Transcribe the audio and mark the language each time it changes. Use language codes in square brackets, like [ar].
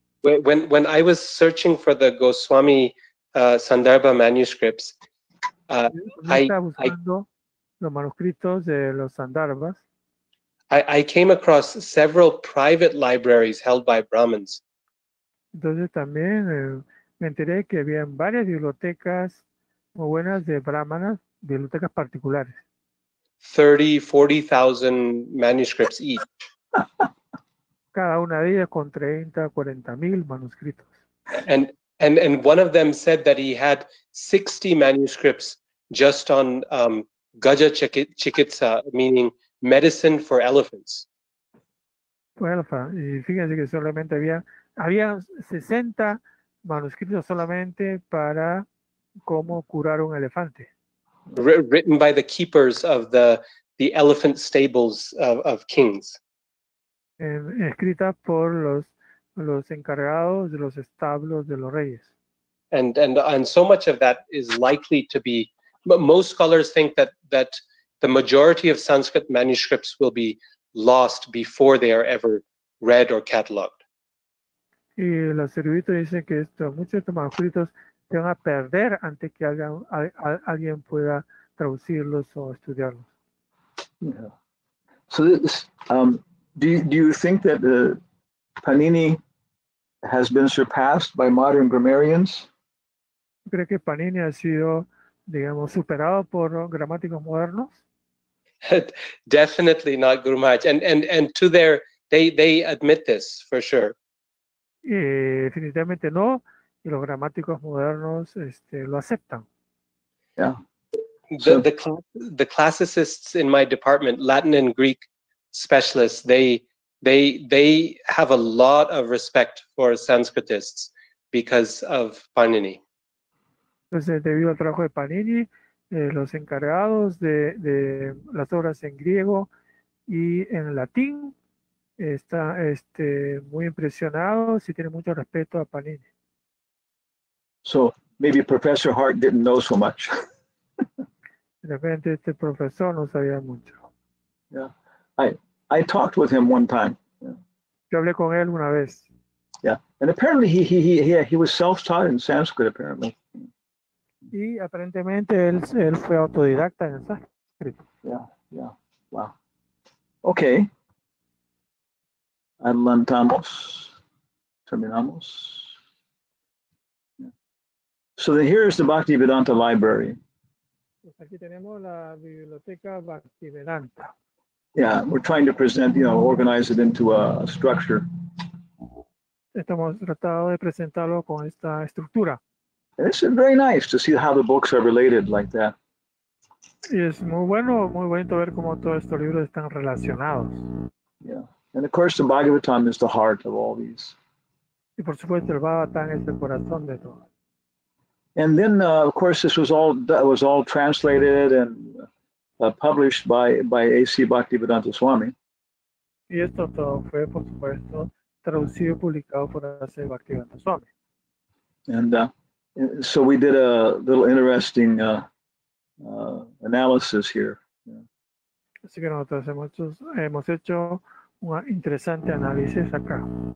[en] When I was searching for the Goswami Sandarbha manuscripts, I came across several private libraries held by Brahmins. [es] Entonces también me enteré que había varias bibliotecas muy buenas de brahmanas, bibliotecas particulares. [en] 30,000-40,000 manuscripts each. [es] Cada una de ellas con 30,000-40,000 manuscritos. [en] And one of them said that he had 60 manuscripts just on Gaja Chikitsa, meaning medicine for elephants. [es] Y fíjense que solamente había 60 manuscritos solamente para cómo curar un elefante. [en] Written by the keepers of the elephant stables of kings. [es] Escrita por los encargados de los establos de los reyes. [en] And so much of that is likely to be, but most scholars think that the majority of Sanskrit manuscripts will be lost before they are ever read or cataloged. [es] Y los eruditos dicen que muchos de estos manuscritos se van a perder antes que alguien pueda traducirlos o estudiarlos. [en] Yeah. So this, do you think that the Panini has been surpassed by modern grammarians? [es] ¿Cree que Panini ha sido, digamos, superado por gramáticos modernos? [en] Definitely not, Guru Maharaj. And to their, they admit this for sure. [es] Definitivamente no. Y los gramáticos modernos lo aceptan. [en] Yeah. The classicists in my department, Latin and Greek specialists, they have a lot of respect for Sanskritists because of Panini. [es] Entonces, debido al trabajo de Panini, los encargados de las obras en griego y en latín están muy impresionados y tienen mucho respeto a Panini. [en] So maybe Professor Hart didn't know so much. [es] De repente este profesor no sabía mucho. [en] Yeah. I talked with him one time. [es] Yo hablé con él una vez. [en] Yeah. And apparently he was self-taught in Sanskrit, apparently. [es] Y aparentemente él fue autodidacta en Sanskrit. [en] Yeah, yeah. Wow. Okay. [es] Adelantamos. Terminamos. [en] So here is the Bhaktivedanta library. [es] Pues aquí tenemos la biblioteca Bhaktivedanta. [en] Yeah, we're trying to present, you know, organize it into a structure. [es] Estamos tratando de presentarlo con esta estructura. [en] It's very nice to see how the books are related like that. [es] Es muy bueno ver cómo todos estos libros están relacionados. [en] Yeah, and of course the Bhagavatam is the heart of all these. [es] Y por supuesto el Bhagavatam es el corazón de todo. [en] And then, of course, this was all translated and published by A.C. Bhaktivedanta Swami. [es] Y esto todo fue, por supuesto, traducido y publicado por A.C. Bhaktivedanta Swami. [en] And so we did a little interesting analysis here. Yeah. [es] Así que nosotros hemos hecho un interesante análisis acá.